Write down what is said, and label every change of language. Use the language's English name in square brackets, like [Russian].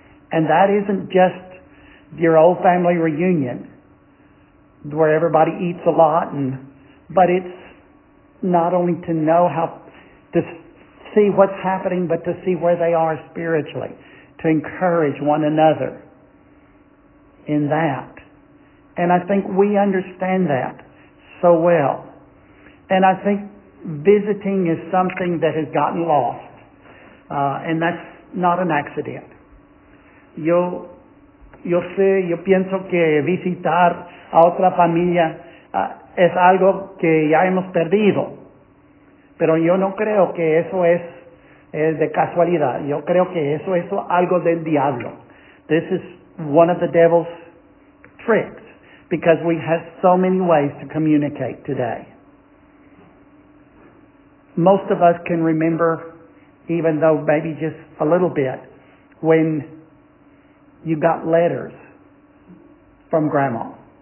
[English] And that isn't just your old family reunion where everybody eats a lot, but it's not only to know how to see what's happening, but to see where they are spiritually, to encourage one another in that. And I think we understand that so well. And I think visiting is something that has gotten lost. And that's not an accident. [Spanish] Yo pienso que visitar a otra familia es algo que ya hemos perdido. Pero yo no creo que eso es de casualidad. Yo creo que eso es algo del diablo. [English] This is one of the devil's tricks, because we have so many ways to communicate today. Most of us can remember, even though maybe just a little bit, when you got letters from grandma.